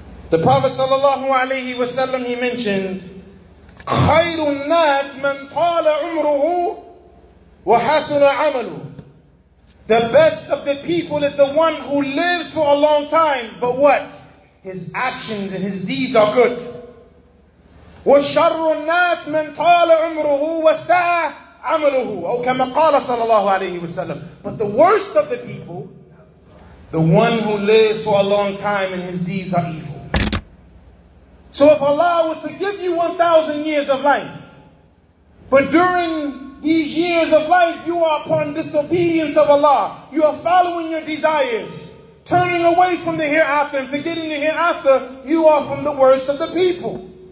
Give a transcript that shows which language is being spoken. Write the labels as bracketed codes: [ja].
[en] The Prophet sallallahu alayhi wa sallam, he mentioned, [ar] خَيْرُ النَّاسِ مَنْ طَالَ عُمْرُهُ وَحَسُنَ عَمَلُهُ. [en] The best of the people is the one who lives for a long time, but what? His actions and his deeds are good. [ar] وَشَرُّ النَّاسِ مَنْ طَالَ عُمْرُهُ وَسَاءَ عَمَلُهُ أو كما قال صلى الله عليه وسلم. [en] But the worst of the people, the one who lives for a long time and his deeds are evil. So if Allah was to give you 1,000 years of life, but during these years of life, you are upon disobedience of Allah, you are following your desires, turning away from the hereafter and forgetting the hereafter, you are from the worst of the people.